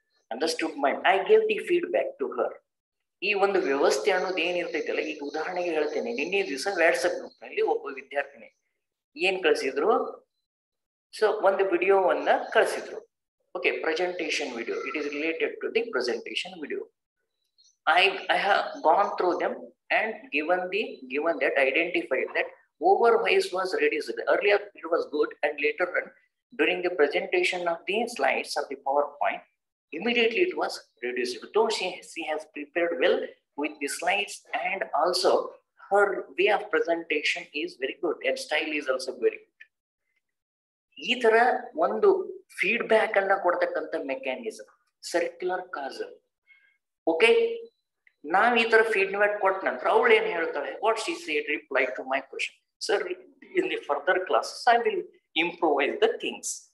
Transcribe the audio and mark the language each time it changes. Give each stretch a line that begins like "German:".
English: Understood my, I gave the feedback to her.
Kannada: ಈ ಒಂದು ವ್ಯವಸ್ಥೆ ಅನ್ನೋದು ಏನಿರ್ತೈತಲ್ಲ, ಈಗ ಉದಾಹರಣೆಗೆ ಹೇಳ್ತೇನೆ. ನಿನ್ನೆ ದಿವಸ ವಾಟ್ಸಪ್ ಗ್ರೂಪ್ನಲ್ಲಿ ಒಬ್ಬ ವಿದ್ಯಾರ್ಥಿನಿ ಏನ್ ಕಳಿಸಿದ್ರು, ಸೊ ಒಂದು ವಿಡಿಯೋವನ್ನ ಕಳಿಸಿದ್ರು.
English: Okay, presentation video, it is related to the presentation video. I have gone through them and given that identified that overvoice was reduced. Earlier it was good, and later on during the presentation of the slides of the PowerPoint, immediately it was reduced. Though she has prepared well with the slides, and also her way of presentation is very good and style is also very good.
Kannada: ಈ ತರ ಒಂದು feedback ಅನ್ನ ಕೊಡ್ತಕ್ಕಂತ mechanism, circular castle.
English: okay,
Kannada: ನಾವು ಈ ತರ feedback ಕೊಟ್ಟ ನಂತರ ಅವಳು ಏನ್ ಹೇಳ್ತಾಳೆ,
English: What she said reply to my question, sir in the further classes I will improvise the things.